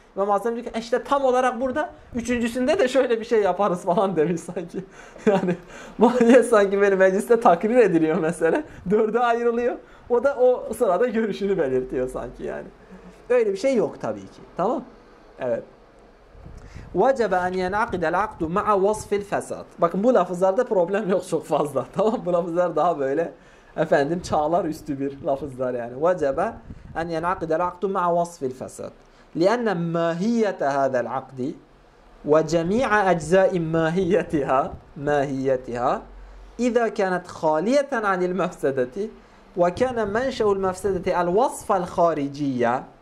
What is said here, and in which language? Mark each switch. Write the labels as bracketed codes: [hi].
[tr] İmam-ı Azam diyor ki işte tam olarak burada üçüncüsünde de şöyle bir şey yaparız falan demiş sanki. Yani mahiyet sanki benim mecliste takrir ediliyor mesela. Dörde ayrılıyor. O da o sırada görüşünü belirtiyor sanki yani. Öyle bir şey yok tabii ki. Tamam? Evet. [ar] وجب أن ينعقد العقد مع وصف الفساد. [tr] Bakın bu lafızlarda problem yok çok fazla. Tamam, bu lafızlar daha böyle efendim çağlar üstü bir lafızlar yani. [ar] وجب أن ينعقد العقد مع وصف الفساد لأن ماهية هذا العقد وجميع أجزاء ماهيتها إذا كانت خالية عن المفسدة وكان منشأ المفسدة الوصف الخارجية.